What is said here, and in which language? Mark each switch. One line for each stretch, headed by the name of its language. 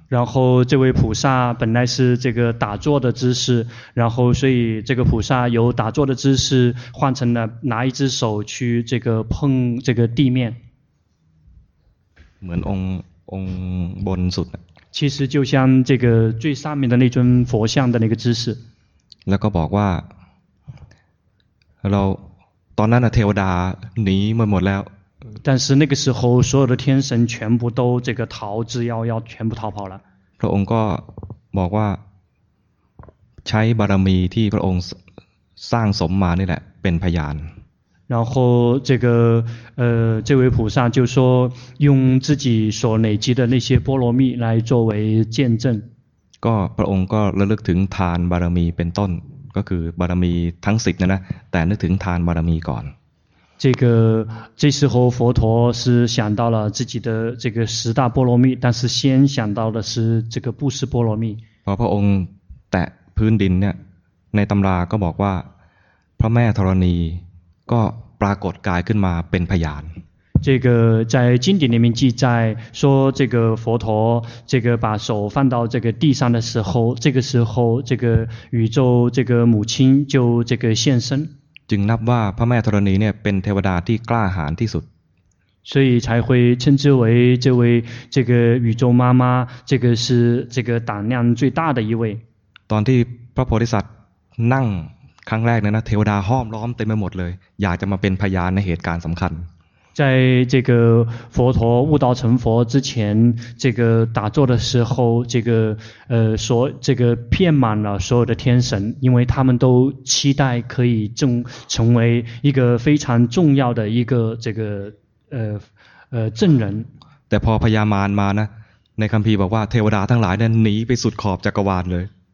Chinese: 然后这位菩萨本来是这个打坐的姿势，然后所以这个菩萨由打坐的姿势换成了拿一只手去这个碰这个地面。
Thai: เหมือนองบนสุด
Chinese: 其实就像这个最上面的那尊佛像的那个姿势
Thai: แล้วก็บอกว่าเราตอนนั้นน่ะเทวดาหนีมาหมดแล้ว
Chinese: 但是那个时候所有的天神全部都这个逃之夭夭全部逃跑了
Thai: พระองค์ก็บอกว่าใช้บารมีที่พระองค์สร้างสมมานี่แหละเป็นพยาน
Chinese: 然后这个这位菩萨就说用自己所累积的那些波罗蜜来作为见证
Thai: ก็พระองค์ก็ระลึกถึงทานบารมีเป็นต้นก็คือบารมีทั้ง10นะแต่นึกถึงทานบารมีก่อน
Chinese: 这时候佛陀是想到了自己的这个十大波罗蜜但是先想到的是这个布施波罗蜜
Thai: พอพระองค์แตะพื้นดินเนี่ยในตำราก็บอกว่าพระแม่ธรณีก็ปรากฏกายขึ้นมาเป็นพยาน
Chinese: 这个在经典里面记载说这个佛陀这个把手放到这个地上的时候这个时候这个宇宙这个母亲就这个现身
Thai: จึงนับว่าพระแม่ธรณีเนี่ยเป็นเทวดาที่กล้าหาญที่สุด
Chinese: 所以才会称之为这位这个宇宙妈妈这个是这个胆量最大的一位
Thai: ตอนที่พระโพธิสัตว์นั่งครั้งแรกเนี่ยนะเทวดาห้อมล้อมเต็มไปหมดเลยอยากจะมาเป็นพยานในเหตุการณ์สำคัญ
Chinese: 在这个佛陀悟道成佛之前这个打坐的时候这个所这个遍满了所有的天神因为他们都期待可以成为一个非常重要的一个这个证人
Thai: แต่พอพญามารมานะในคัมภีร์บอกว่าเทวดาทั้งหลายเนี่ยหนีไปสุดขอบจักรวาลเลย